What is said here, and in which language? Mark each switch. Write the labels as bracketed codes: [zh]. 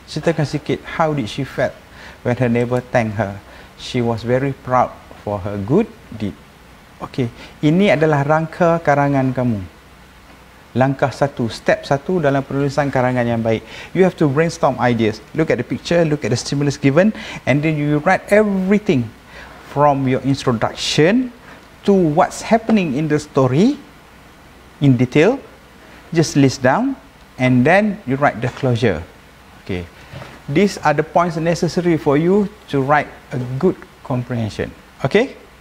[ms] Ceritakan sikit, [en] how did she felt when her neighbor thanked her? She was very proud for her good deed. [ms] Okay, ini adalah rangka karangan kamu. Langkah satu, step satu dalam penulisan karangan yang baik. [en] You have to brainstorm ideas. Look at the picture, look at the stimulus given, and then you write everything from your introduction to what's happening in the story in detail. Just list down, and then you write the closure. Okay, these are the points necessary for you to write a good comprehension. Okay?